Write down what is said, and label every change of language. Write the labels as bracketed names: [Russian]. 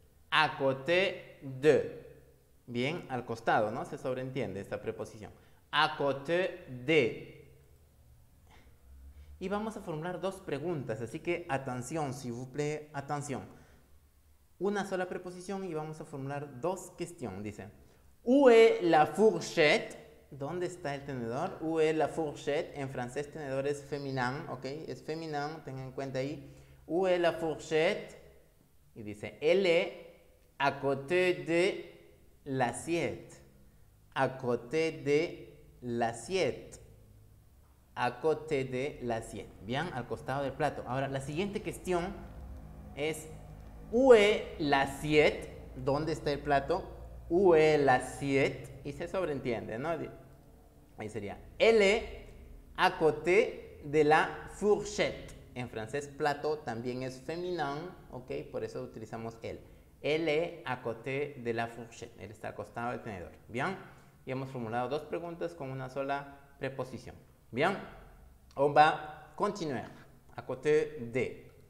[French] À côté de. [Spanish] Bien, al costado, ¿no? Se sobreentiende esta preposición. [French] À côté de. [Spanish] Y vamos a formular dos preguntas, así que atención, [French] s'il vous plaît, [Spanish] atención. Una sola preposición y vamos a formular dos questions. [French] Dice, où est la fourchette? [Spanish] ¿Dónde está el tenedor? [French] Où est la fourchette? [Spanish] En francés, tenedor es féminin, ok? Es féminin, tengan en cuenta ahí. [French] Où est la fourchette? [Spanish] Y dice, [French] elle est à côté de l'assiette. À côté de l'assiette. À côté de l'assiette. [Spanish] Bien, al costado del plato. Ahora, la siguiente cuestión es, [French] où est l'assiette? [Spanish] ¿Dónde está el plato? [French] Où est l'assiette? [Spanish] Y se sobreentiende, ¿no? Ahí sería, [French] elle est à côté de la fourchette. [Spanish] En francés, plato también es féminin, ¿ok? Por eso utilizamos él. [French] Elle est à côté de la fourchette. [Spanish] Él está al costado del tenedor. Bien, y hemos formulado dos preguntas con una sola preposición. [French] Bien, on va continuer à côté de.